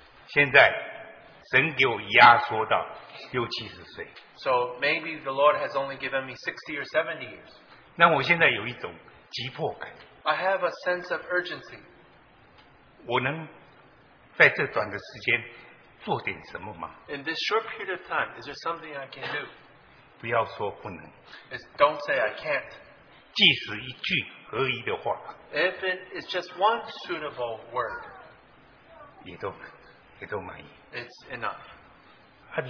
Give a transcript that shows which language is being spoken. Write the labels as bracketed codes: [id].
[zh] 现在神给我压缩到六七十岁 [en] so maybe the Lord has only given me 60 or 70 years, [zh] 那我现在有一种急迫感 [en] I have a sense of urgency, [zh] 我能在这短的时间做点什么吗 [en] ？In this short period of time, is there something I can do? [zh] 不要说不能。 [en] It's don't say I can't. [zh] 即使一句合宜的话。 [en] If it is just one suitable word. [zh] 也都满意。 [en] It's enough.